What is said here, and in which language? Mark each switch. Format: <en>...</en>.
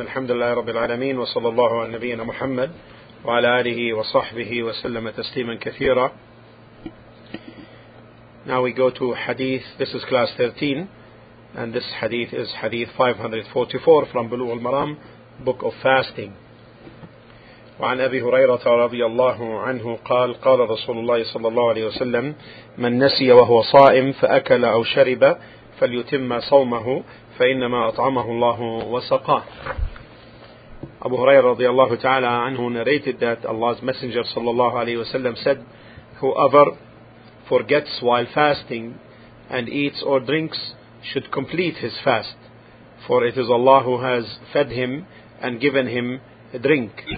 <ar>الحمد لله رب العالمين، وصلى الله على نبينا محمد وعلى آله وصحبه وسلم تسليما كثيرا.</ar> <en>Now we go to hadith. This is class 13, and this hadith is hadith 544 from Bulugh al-Maram, Book of Fasting.</en> <ar>وعن أبي هريرة رضي الله عنه قال قال رسول الله صلى الله عليه وسلم من نسي وهو صائم فأكل أو شرب فليتم صومه فإنما أطعمه الله وسقاه. أبو هريرة رضي الله تعالى عنه</ar> <en>narrated that Allah's Messenger</en> <ar>صلى الله عليه وسلم</ar> <en>said, whoever forgets while fasting and eats or drinks should complete his fast, for it is Allah who has fed him and given him a drink.</en>